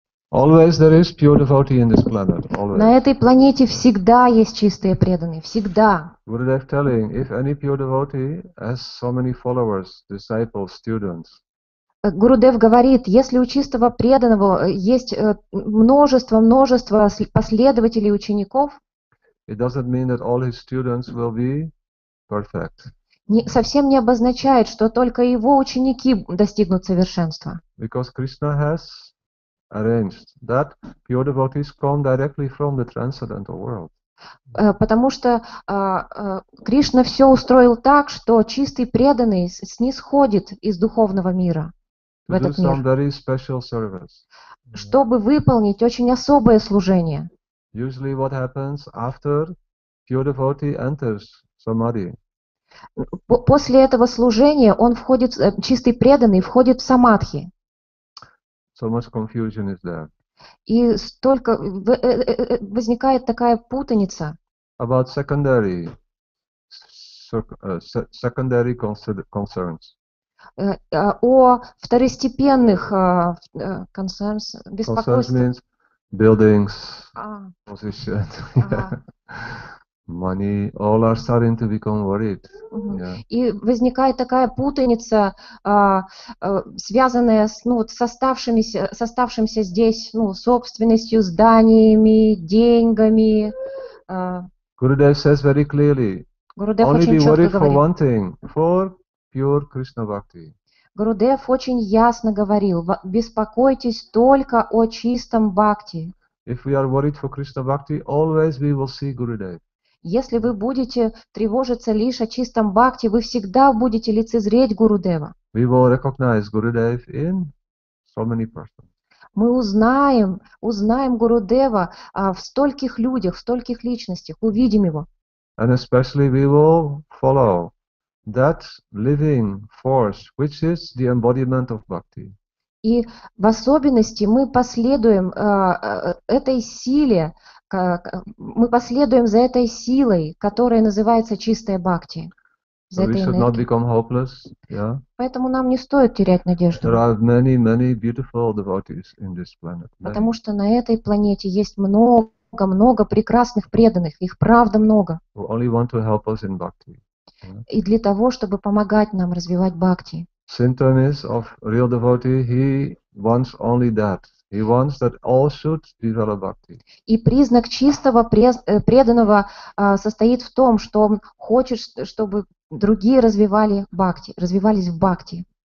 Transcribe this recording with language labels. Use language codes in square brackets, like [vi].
[en] Always there is pure devotee in this planet. Always. [ru] На этой планете всегда есть чистые преданные. Всегда. [en] Gurudev telling, if any pure devotee has so many followers, disciples, students. [ru] Гурудев говорит, если у чистого преданного есть множество последователей, учеников. [en] It doesn't mean that all his students will be perfect. [ru] Не, совсем не обозначает, что только его ученики достигнут совершенства. [en] Because Krishna has arranged that pure devotees come directly from the transcendental world. [ru] Потому что Кришна все устроил так, что чистый преданный снисходит из духовного мира в этот мир. [en] To do some very special service. [ru] Чтобы выполнить очень особое служение. [en] Usually what happens after pure devotee enters samadhi. [ru] После этого служения он входит, чистый преданный входит в самадхи. [en] So much confusion is there. [ru] И столько возникает такая путаница [en] about secondary secondary concerns. [ru] О второстепенных concerns, беспокойствах. [en] Concerns means buildings, positions, money. All are starting to become worried. [ru] И возникает такая путаница, связанная с, ну, вот с оставшимся здесь, ну, собственностью, зданиями, деньгами. [en] Gurudev says very clearly. Gurudev only be worried [ru] говорит, [en] for one thing, for pure Krishna bhakti. [ru] Gurudev очень ясно говорил: беспокойтесь только о чистом бхакти. [en] If we are worried for Krishna bhakti, always we will see Gurudev. [ru] Если вы будете тревожиться лишь о чистом бхакти, вы всегда будете лицезреть Гурудева. [en] We will recognize Gurudev in so many persons. [ru] Мы узнаем Гурудева в стольких людях, в стольких личностях, увидим его. [en] And especially we will follow that living force, which is the embodiment of bhakti. [ru] И в особенности мы последуем этой силе, мы последуем за этой силой, которая называется чистая бхакти. [en] So we should not become hopeless, yeah? [ru] Поэтому нам не стоит терять надежду. [en] There are many, many beautiful devotees in this planet. [ru] Потому что на этой планете есть много прекрасных преданных, их правда много. [en] Who only want to help us in bhakti. [ru] И для того, чтобы помогать нам развивать бхакти. [en] Symptom is of real devotee, he wants only that. He wants that all should develop bhakti. [ru] И признак чистого преданного состоит в том, что он хочет, чтобы другие развивали бхакти, развивались в бхакти.